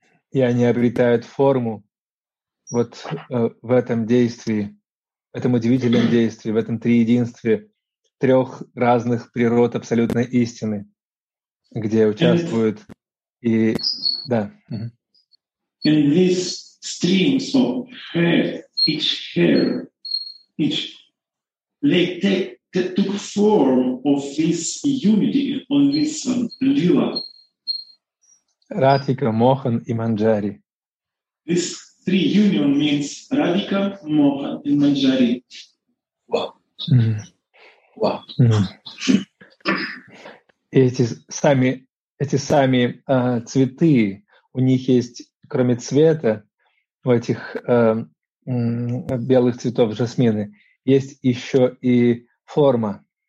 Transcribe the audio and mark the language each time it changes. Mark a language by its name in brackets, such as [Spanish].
[Russian] И они обретают форму вот в этом действии, в этом удивительном действии, в этом триединстве трех разных природ абсолютной истины, где участвуют и да. [English] In these streams of hair, each they took form of this unity on this lila. Radhika, Mohan and Manjari. This three union means Radhika, Mohan and Manjari. Wow. Wow. [Russian] Эти сами цветы, у них есть, кроме цвета, у этих белых цветов жасмины, есть еще и форма.